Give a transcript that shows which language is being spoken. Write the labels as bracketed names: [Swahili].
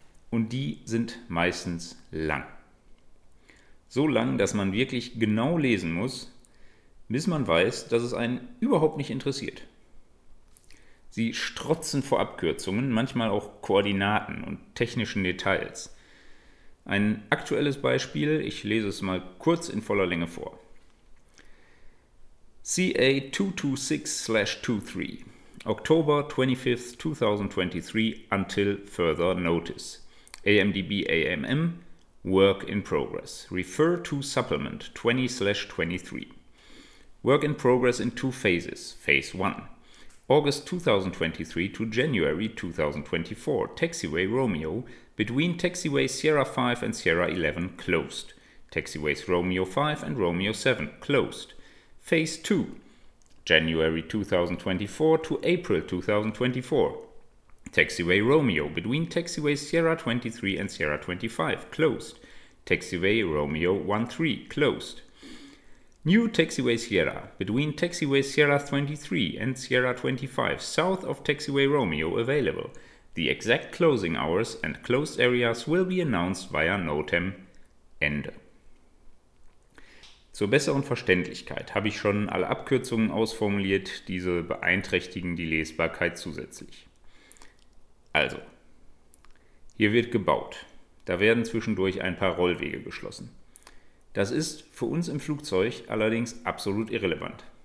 [German] Und die sind meistens lang. So lang, dass man wirklich genau lesen muss, bis man weiß, dass es einen überhaupt nicht interessiert. Sie strotzen vor Abkürzungen, manchmal auch Koordinaten und technischen Details. Ein aktuelles Beispiel, ich lese es mal kurz in voller Länge vor. [English] CA226/23, October 25th, 2023, until further notice. AMDB AMM, work in progress. Refer to supplement 20/23. Work in progress in two phases. Phase 1. August 2023 to January 2024. Taxiway Romeo between taxiway Sierra 5 and Sierra 11 closed. Taxiways Romeo 5 and Romeo 7 closed. Phase 2. January 2024 to April 2024. Taxiway Romeo between taxiways Sierra 23 and Sierra 25 closed. Taxiway Romeo 13 closed. New taxiway Sierra, between taxiway Sierra 23 and Sierra 25, south of taxiway Romeo available. The exact closing hours and closed areas will be announced via NOTAM. [German] Ende. Zur besseren Verständlichkeit habe ich schon alle Abkürzungen ausformuliert, diese beeinträchtigen die Lesbarkeit zusätzlich. Also, hier wird gebaut. Da werden zwischendurch ein paar Rollwege geschlossen. Das ist für uns im Flugzeug allerdings absolut irrelevant.